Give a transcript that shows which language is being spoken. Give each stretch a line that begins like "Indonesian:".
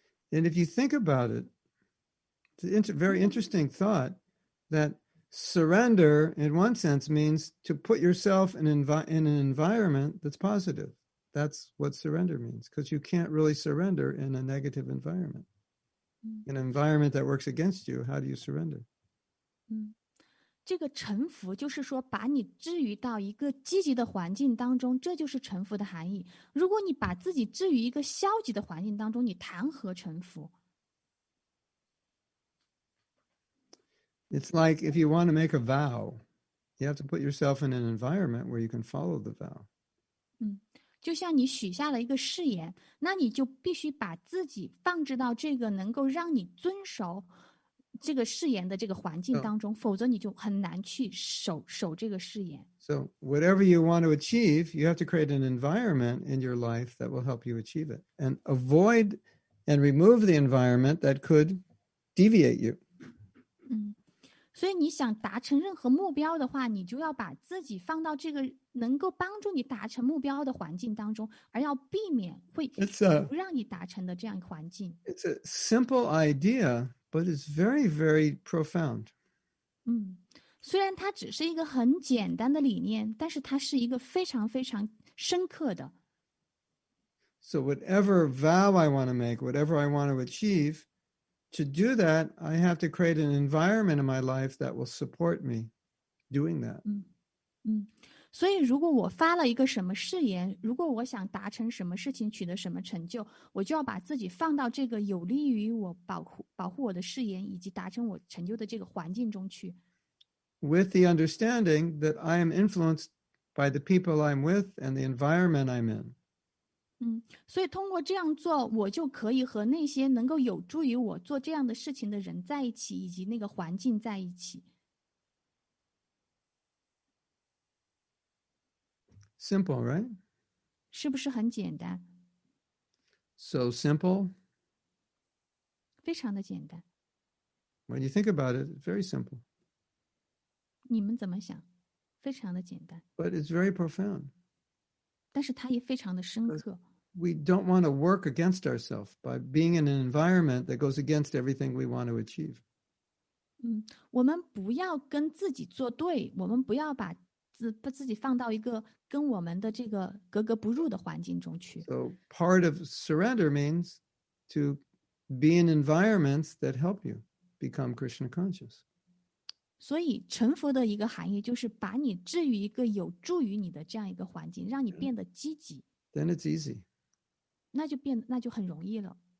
English: And if you think about it, it's a very interesting thought that surrender, in one sense, means to put yourself in an environment that's positive. That's what surrender means, because you can't really surrender in a negative environment. An environment that works against you, how do you surrender?
Chinese: 这个臣服就是说把你置于到一个积极的环境当中，这就是臣服的含义。如果你把自己置于一个消极的环境当中，你谈何臣服？
English: It's like if you want to make a vow, you have to put yourself in an environment where you can follow the vow.
Chinese: 就像你许下了一个誓言，那你就必须把自己放置到这个能够让你遵守这个誓言的这个环境当中，否则你就很难去守这个誓言。
English: So whatever you want to achieve, you have to create an environment in your life that will help you achieve it, and avoid and remove the environment that could deviate you.
Chinese: 所以你想达成任何目标的话，你就要把自己放到这个能够帮助你达成目标的环境当中，而要避免会不让你达成的这样一个环境。
English: It's a simple idea. But it's very, very profound.
Chinese: 虽然它只是一个很简单的理念，但是它是一个非常非常深刻的。
English: So whatever vow I want to make, whatever I want to achieve, to do that, I have to create an environment in my life that will support me doing that.
Chinese: 所以如果我发了一个什么誓言，如果我想达成什么事情，取得什么成就，我就要把自己放到这个有利于我保护我的誓言以及达成我成就的这个环境中去。
English: With the understanding that I am influenced by the people I'm with and the environment I'm in.
Chinese: 所以通过这样做，我就可以和那些能够有助于我做这样的事情的人在一起，以及那个环境在一起。
English: Simple, right?
Chinese: 是不是很简单？
English: So simple?
Chinese: 非常的简单。
English: When you think about it, very simple.
Chinese: 你们怎么想？非常的简单。
English: But it's very profound.
Chinese: 但是它也非常的深刻。
English: We don't want to work against ourselves by being in an environment that goes against everything we want to achieve.
Chinese: 我们不要跟自己作对，我们不要把自己放到一个跟我们的这个格格不入的环境中去。
English: So part of surrender means to be in environments that help you become Krishna conscious.
Chinese: 所以臣服的一个含义就是把你置于一个有助于你的这样一个环境，让你变得积极。
English: Then it's easy.
Chinese: 那就很容易了。